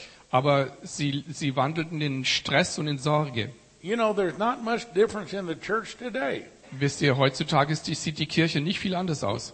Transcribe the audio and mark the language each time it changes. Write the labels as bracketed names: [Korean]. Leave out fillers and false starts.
[German] Aber sie wandelten in Stress und in Sorge. [English] You know, there's not much difference in the church today. [German] Wisst ihr, heutzutage sieht die Kirche nicht viel anders aus.